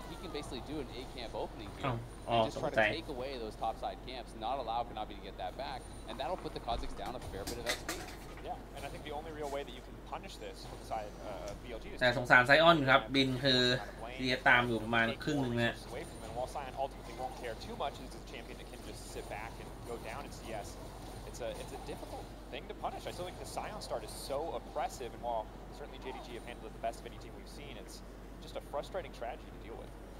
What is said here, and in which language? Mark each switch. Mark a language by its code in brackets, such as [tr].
[en] He can basically do an A camp opening here and just try to take away those top side camps, not allow Kanabi to get that back, and that'll put the Kha'Zix down a fair bit of XP. Yeah, and I think the only real way that you can punish this from the side BLG is. [th] แต่สงสารไซออนครับบินคือเรียตามอยู่ประมาณครึ่งนึงนะ [en] While Sion ultimately won't care too much, he's a champion that can just sit back and go down in CS. It's a difficult thing to punish. I still think the Sion start is so oppressive, and while certainly JDG have handled it the best of any team we've seen, it's just a frustrating tragedy to deal with.